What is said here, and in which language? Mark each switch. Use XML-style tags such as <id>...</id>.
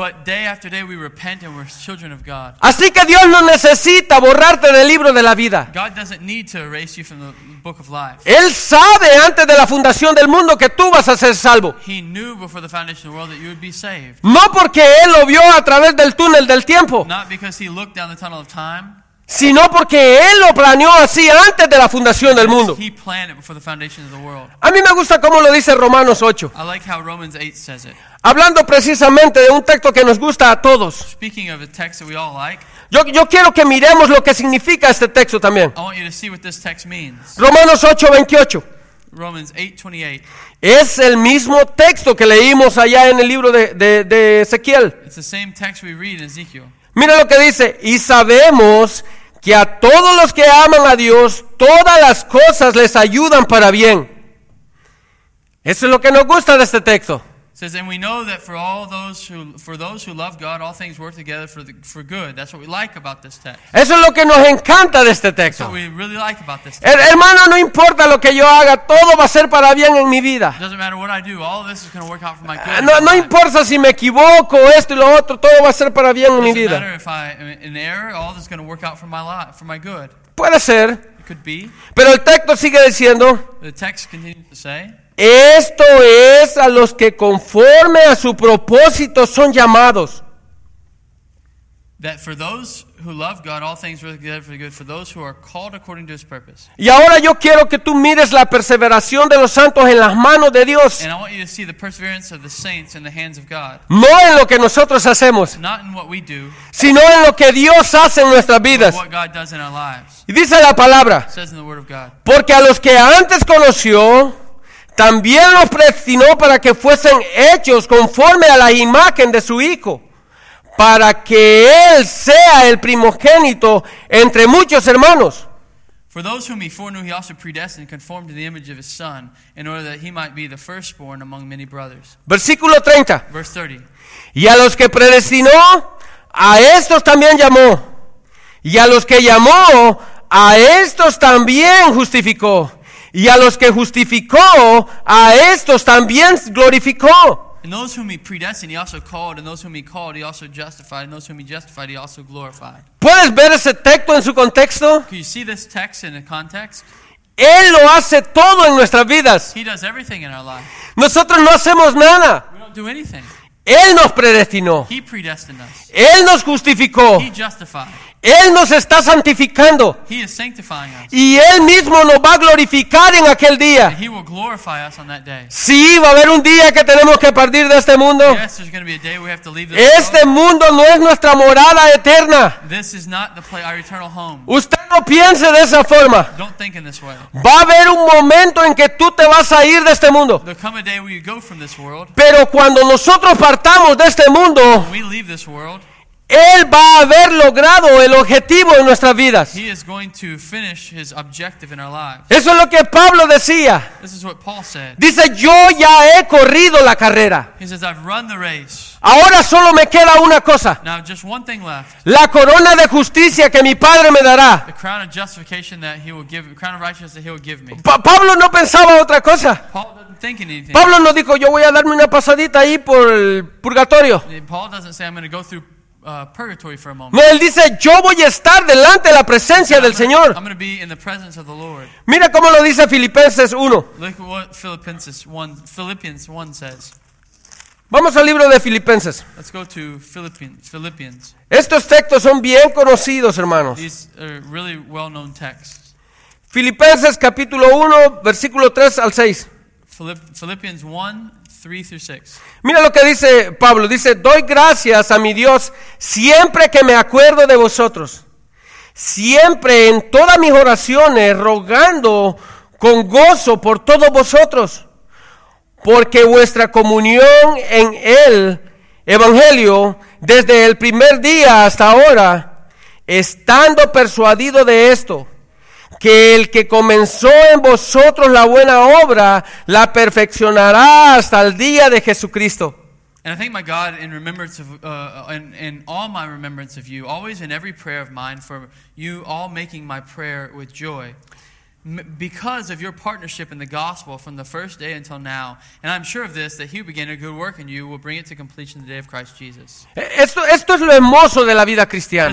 <en>But day after day we repent and we're children of God.</en> <es>Así que Dios no necesita borrarte del libro de la vida.</es> <en>God doesn't need to erase you from the book of life.</en> <es>Él sabe antes de la fundación del mundo que tú vas a ser salvo.</es> <en>He knew before the foundation of the world that you would be saved.</en> <es>No porque Él lo vio a través del túnel del tiempo.</es> <en>Not because He looked down the tunnel of time.</en> <es>Sino porque Él lo planeó así antes de la fundación del mundo.</es> <en>He planned it before the foundation of the world.</en> <es>A mí me gusta cómo lo dice Romanos 8.</es> <en>I like how Romans 8 says it.</en> <es>Hablando precisamente de un texto que nos gusta a todos.</es> <en>Speaking of a text that we all like,</en> <es>yo quiero que miremos lo que significa este texto también.</es> <en>I want you to see what this text means.</en> <es>Romanos 8, 28.</es> <en>Romans 8, 28.</en> <es>Es el mismo texto que leímos allá en el libro de Ezequiel.</es> <en>It's the same text we read in Ezekiel.</en> <es>Mira lo que dice, y sabemos que a todos los que aman a Dios, todas las cosas les ayudan para bien. Eso es lo que nos gusta de este texto.</es> <en>It says, and we know that for those who love God, all things work together for good. That's what we like about this text.</en> <es>Eso es lo que nos encanta de este texto.</es> <en>That's what we really like about this text.</en> <es>Hermano, no importa lo que yo haga, todo va a ser para bien en mi vida.</es> <en>It doesn't matter what I do, all of this is going to work out for my good.</en> <es>No importa si me equivoco, esto y lo otro, todo va a ser para bien en mi vida.</es> <en>It doesn't matter if I'm in error, all this is going to work out for my good.</en> <es>Puede ser.</es> <en>It could be.</en> <es>Pero el texto sigue diciendo.</es> <en>The text continues to say.</en> <es>Esto es a los que conforme a su propósito son llamados.</es> <en>That for those who love God, all things work together for good. For those who are called according to His purpose.</en> <es>Y ahora yo quiero que tú mires la perseveración de los santos en las manos de Dios.</es> <en>And I want you to see the perseverance of the saints in the hands of God.</en> <es>No en lo que nosotros hacemos.</es> <en>Not in what we do.</en> <es>Sino en lo que Dios hace en nuestras vidas.</es> <en>What God does in our lives.</en> <es>Y dice la palabra.</es> <en>It says in the word of God.</en> <es>Porque a los que antes conoció, también los predestinó para que fuesen hechos conforme a la imagen de su Hijo, para que Él sea el primogénito entre muchos hermanos.</es> <en>For those whom He foreknew, He also predestined conformed to the image of His Son, in order that He might be the firstborn among many brothers.</en> <es>Versículo 30.</es> <en>Verse 30.</en> <es>Y a los que predestinó, a estos también llamó. Y a los que llamó, a estos también justificó. Y a los que justificó, a estos también glorificó.</es> <en>And those whom He predestined, He also called. And those whom He called, He also justified. And those whom He justified, He also glorified.</en> <es>¿Puedes ver ese texto en su contexto?</es> <en>Can you see this text in the context?</en> <es>Él lo hace todo en nuestras vidas.</es> <en>He does everything in our life.</en> <es>Nosotros no hacemos nada.</es> <en>We don't do anything.</en> <es>Él nos predestinó.</es> <en>He predestined us.</en> <es>Él nos justificó.</es> <en>He justified.</en> <es>Él nos está santificando.</es> <en>He is sanctifying us.</en> <es>Y Él mismo nos va a glorificar en aquel día.</es> <en>And he will glorify us on that day.</en> <es>Sí, va a haber un día que tenemos que partir de este mundo.</es> <en>Yes, there's going to be a day we have to leave this world.</en> <es>Este mundo no es nuestra morada eterna.</es> <en>This is not the place, our eternal home.</en> <es>Usted no piense de esa forma.</es> <en>Don't think in this way.</en> <es>Va a haber un momento en que tú te vas a ir de este mundo.</es> <en>There'll come a day where you go from this world.</en> <es>Pero cuando nosotros partamos de este mundo,</es> <en>when we leave this world,</en> <es>Él va a haber logrado el objetivo en nuestras vidas.</es> <en>He is going to finish his objective in our lives.</en> <es>Eso es lo que Pablo decía.</es> <en>This is what Paul said.</en> <es>Dice, yo ya he corrido la carrera.</es> <en>He says, I've run the race.</en> <es>Ahora solo me queda una cosa.</es> <en>Now, just one thing left.</en> <es>La corona de justicia que mi Padre me dará.</es> <en>The crown of justification that he will give, crown of righteousness that he will give me.</en> <es>Pablo no pensaba otra cosa.</es> <en>Paul doesn't think anything.</en> <es>Pablo no dijo, yo voy a darme una pasadita ahí por el purgatorio.</es> <en>Paul doesn't say, I'm going to go through purgatory for a moment.</en> <es>No, él dice, yo voy a estar delante de la presencia del Señor.</es> <en>I'm going to be in the presence of the Lord.</en> <es>Mira cómo lo dice Filipenses 1.</es> <en>Look what Philippians 1 says.</en> <es>Vamos al libro de Filipenses.</es> <en>Let's go to Philippians.</en> <es>Estos textos son bien conocidos, hermanos.</es> <en>These are really well-known texts.</en> <es>Filipenses capítulo 1, versículo 3 al 6.</es> <en>Philippians 1, 3 through 6.</en> <es>Mira lo que dice Pablo. Dice, doy gracias a mi Dios siempre que me acuerdo de vosotros. Siempre en todas mis oraciones, rogando con gozo por todos vosotros. Porque vuestra comunión en el Evangelio, desde el primer día hasta ahora, estando persuadido de esto, que el que comenzó en vosotros la buena obra, la perfeccionará hasta el día de Jesucristo.</es> <en>And I thank my God in remembrance of in all my remembrance of you, always in every prayer of mine, for you all making my prayer with joy. Because of your partnership in the gospel from the first day until now, and I'm sure of this, that he who began a good work in you will bring it to completion the day of Christ Jesus.</en> <es>Esto es lo hermoso de la vida cristiana.</es>